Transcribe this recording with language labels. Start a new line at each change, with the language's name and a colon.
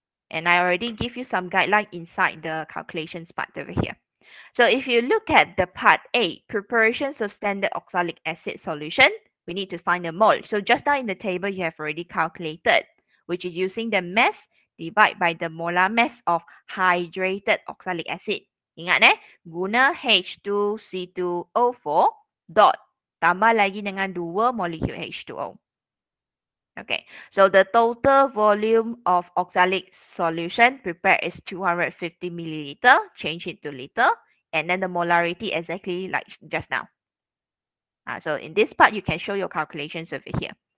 English: And I already give you some guideline inside the calculations part over here. So if you look at the part A, preparations of standard oxalic acid solution, we need to find the mole. So just now in the table, you have already calculated, which is using the mass divided by the molar mass of hydrated oxalic acid.
Malay: Ingat eh, guna H2C2O4 dot tambah lagi dengan 2 molekul H2O.
English: Okay, so the total volume of oxalic solution prepared is 250 milliliter, change it to liter, and then the molarity exactly like just now. So in this part, you can show your calculations over here.